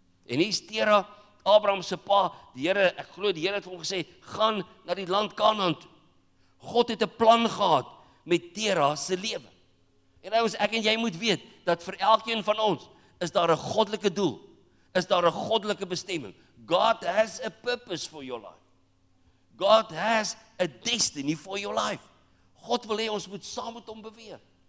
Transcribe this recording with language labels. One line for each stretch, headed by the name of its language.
Afrikaans: En hier is Terah, Abraham se pa, die Here, ek glo die Here het vir hom gesê, gaan na die land Kanaan toe. God het 'n plan gehad met Terah se lewe. En ons, ek en jy moet weet, dat vir elkeen van ons, is daar 'n goddelike doel, is daar 'n goddelike bestemming.
English: God has a purpose for your life. God has a destiny for your life.
Afrikaans: God wil hê ons moet saam met hom beweeg.